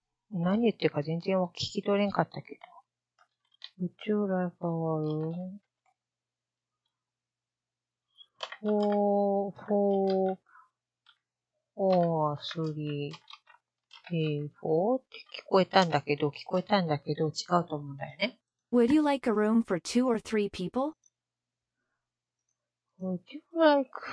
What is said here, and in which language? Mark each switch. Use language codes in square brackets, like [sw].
[en] What did you say? I didn't understand it at all. Would you like a room for four or three people? [ja] って聞こえたんだけど、聞こえたんだけど、違うと思うんだよね。 [en] Would you like a room for two or three people? Would you like...